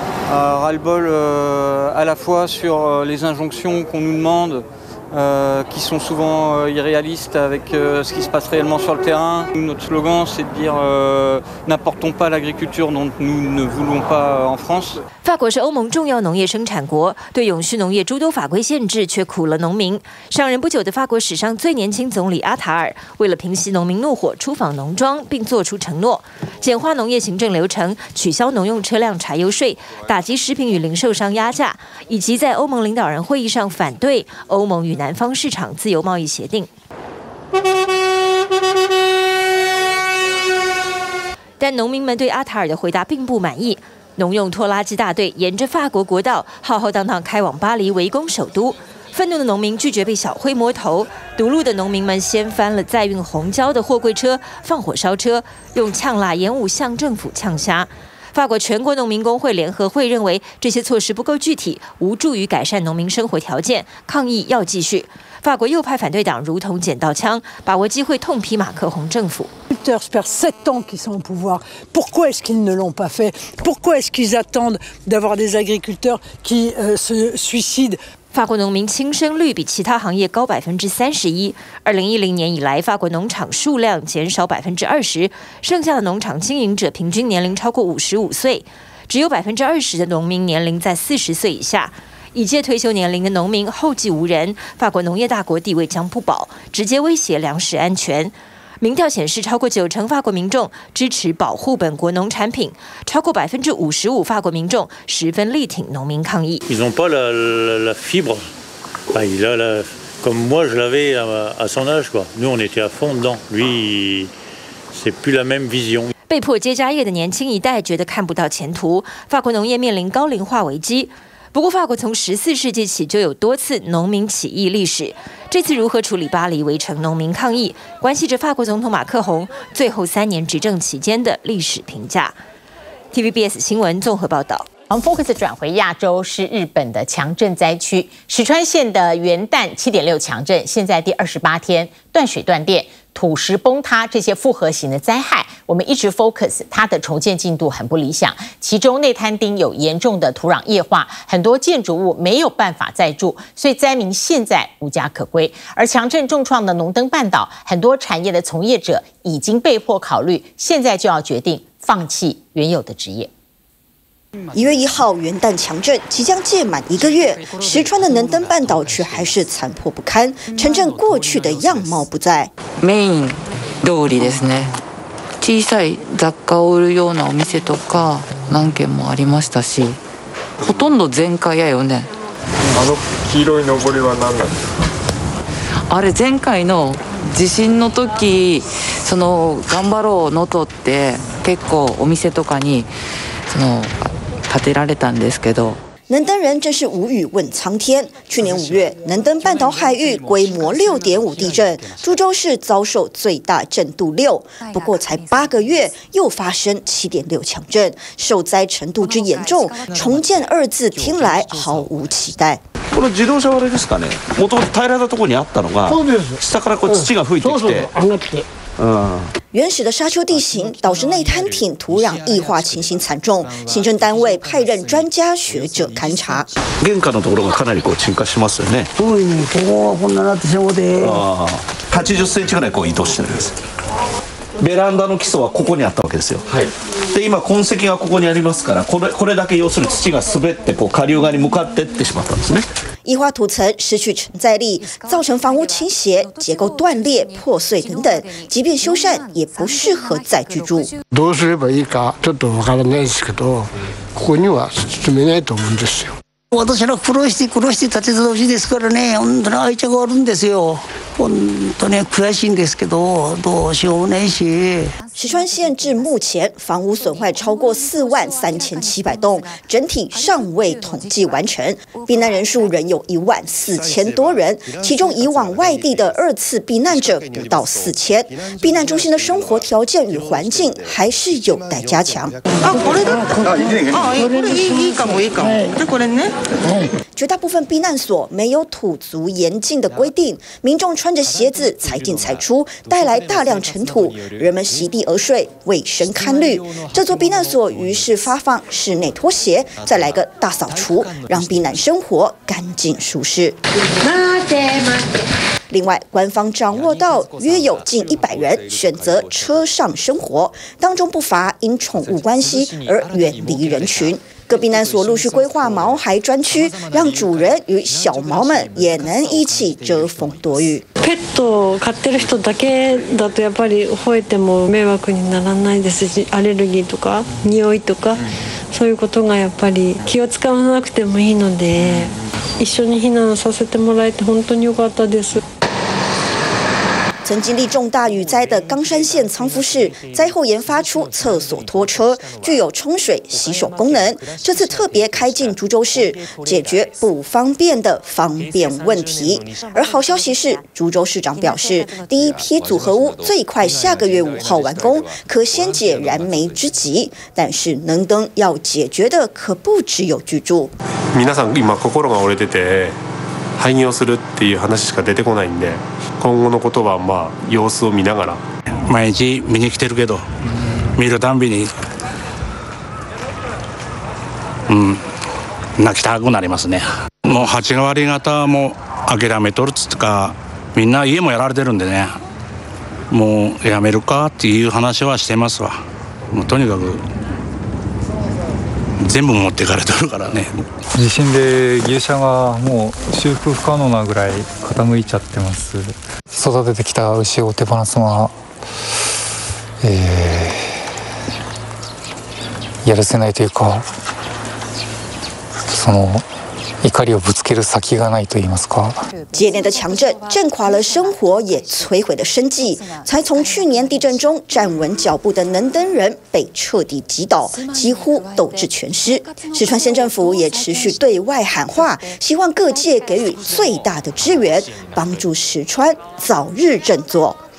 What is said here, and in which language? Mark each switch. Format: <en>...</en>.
<fr>Ras-le-bol à la fois sur les injonctions qu'on nous demande, qui sont souvent irréalistes avec ce qui se passe réellement sur le terrain. Notre slogan, c'est de dire n'apportons pas l'agriculture dont nous ne voulons pas en France.</fr> <zh>法国是欧盟重要农业生产国，对永续农业诸多法规限制却苦了农民。上任不久的法国史上最年轻总理阿塔尔，为了平息农民怒火，出访农庄并做出承诺，简化农业行政流程，取消农用车辆柴油税，打击食品与零售商压价，以及在欧盟领导人会议上反对欧盟与南方市场自由贸易协定。但农民们对阿塔尔的回答并不满意，农用拖拉机大队沿着法国国道浩浩荡荡开往巴黎围攻首都，愤怒的农民拒绝被小灰摸头，堵路的农民们掀翻了载运红胶的货柜车，放火烧车，用呛辣烟雾向政府呛虾。法国全国农民工会联合会认为这些措施不够具体，无助于改善农民生活条件，抗议要继续。法国右派反对党如同捡到枪，把握机会痛批马克宏政府。</zh> <fr>Ça fait 7 ans qu'ils sont au pouvoir. Pourquoi est-ce qu'ils ne l'ont pas fait? Pourquoi est-ce qu'ils attendent d'avoir des agriculteurs qui se suicident?</fr> <zh>法国农民轻生率比其他行业高31%。 2010年以来，法国农场数量减少20%，剩下的农场经营者平均年龄超过55岁，只有20%的农民年龄在40岁以下。已届退休年龄的农民后继无人，法国农业大国地位将不保，直接威胁粮食安全。民调显示，超过90%法国民众支持保护本国农产品，超过55%法国民众十分力挺农民抗议。</zh> <fr>Ils n'ont pas la fibre, bah il a la comme moi je l'avais à son âge quoi. Nous on était à fond dedans. Lui, c'est plus la même vision.</fr> <zh>被迫接家业的年轻一代觉得看不到前途，法国农业面临高龄化危机。不过，法国从14世纪起就有多次农民起义历史。这次如何处理巴黎围城农民抗议，关系着法国总统马克宏最后3年执政期间的历史评价。 TVBS 新闻综合报道。我们 focus 转回亚洲，是日本的强震灾区石川县的元旦7.6强震，现在第28天断水断电、土石崩塌这些复合型的灾害。我们一直 focus 它的重建进度很不理想，其中内滩町有严重的土壤液化，很多建筑物没有办法再住，所以灾民现在无家可归。而强震重创的农登半岛，很多产业的从业者已经被迫考虑现在就要决定放弃原有的职业。 1月1号元旦强震即将届满一个月，石川的能登半岛却还是残破不堪，城镇过去的样貌不在。</zh> <ja>メイン通りですね。小さい雑貨を売るようなお店とか何軒もありましたし、ほとんど全壊やよね。あの黄色い登りは何なんですか？あれ前回の地震の時、その頑張ろうのとって結構お店とかにその建てられたんですけど。</ja> <zh>能登人真是无语问苍天。去年5月，能登半岛海域规模6.5地震，株洲市遭受最大震度6。不过才8个月，又发生7.6强震，受灾程度之严重，重建二字听来毫无期待。</zh> <ja>この自動車割れですかね。もともと平らなところにあったのが、下からこう土が吹いてきて。</ja> <zh>原始的沙丘地形导致内滩町土壤异化情形惨重，行政单位派任专家学者勘察。</zh> <ja>玄関のところがかなりこう沈下しますよね。そうね、ここはこんななってしまうで。 80センチぐらいこう移動してるんです。ベランダの基礎はここにあったわけですよ。はい。で今痕跡がここにありますから、これだけ要するに土が滑ってこう下流側に向かってってしまったんですね。</ja> <zh>异化土层失去承载力，造成房屋倾斜、结构断裂、破碎等等。即便修缮，也不适合再居住。</zh> <ja>どうすればいいかちょっとわからないですけど、ここには住めないと思うんですよ。私ら苦労して苦労して建てた土地ですからね、本当に愛着があるんですよ。本当に悔しいんですけど、どうしようもないし。</ja> <zh>石川县至目前房屋损坏超过43700栋，整体尚未统计完成。避难人数仍有14000多人，其中以往外地的二次避难者不到4000。避难中心的生活条件与环境还是有待加强。</zh> <ja>啊，これだった。あ、いいね。あ、これいいかもいいかも。で、これね。</ja> <zh>绝大部分避难所没有土足严禁的规定，民众穿着鞋子才进才出，带来大量尘土，人们席地而睡，卫生堪虑。这座避难所于是发放室内拖鞋，再来个大扫除，让避难生活干净舒适。另外，官方掌握到约有近100人选择车上生活，当中不乏因宠物关系而远离人群。各避难所陆续规划毛孩专区，让主人与小毛们也能一起遮风躲雨。</zh> <ja>ペットを飼ってる人だけだとやっぱり吠えても迷惑にならないですし、アレルギーとか臭いとかそういうことがやっぱり気を使わなくてもいいので、一緒に避難させてもらえて本当に良かったです。</ja> <zh>曾经历重大雨灾的冈山县仓敷市灾后研发出厕所拖车，具有冲水洗手功能，这次特别开进竹州市，解决不方便的方便问题。而好消息是，竹州市长表示，第一批组合屋最快下个月5号完工，可先解燃眉之急。但是能登要解决的可不只有居住。</zh> <ja>皆さん今心が折れてて廃業するっていう話しか出てこないんで、今後のことはまあ様子を見ながら。毎日見に来てるけど、見るたんびに、泣きたくなりますね。もう8割方も諦めとるっつうか、みんな家もやられてるんでね、もうやめるかっていう話はしてますわ。もうとにかく全部持っていかれてるからね。地震で牛舎がもう修復不可能なぐらい傾いちゃってます。育ててきた牛を手放すのは、やるせないというか、その怒りをぶつける先がないと言いますか。</ja> <zh>接连的强震震垮了生活，也摧毁了生计。才从去年地震中站稳脚步的能登人被彻底击倒，几乎斗志全失。石川县政府也持续对外喊话，希望各界给予最大的支援，帮助石川早日振作。</zh>